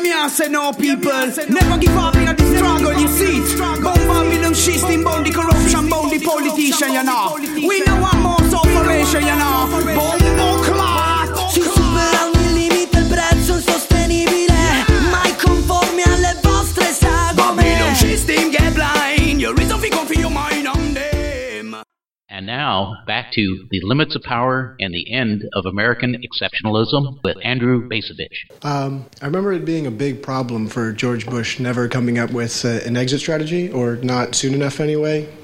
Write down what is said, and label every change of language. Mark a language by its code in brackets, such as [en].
[en] Say no, people. Never give up in a struggle, you see. Bomb Babylon, shisting, bomb the corruption, bomb the politician, you know. We don't want more sufferation, you know. Bomb more clout. [it] Ci supera ogni limite, il prezzo insostenibile. Mai conformi alle vostre sagome. [en] Babylon, shisting, get blind. Your reason for confusion, your mind on them. And now, back to The Limits of Power and the End of American Exceptionalism with Andrew Bacevich. I remember it being a big problem for George Bush never coming up with an exit strategy, or not soon enough anyway.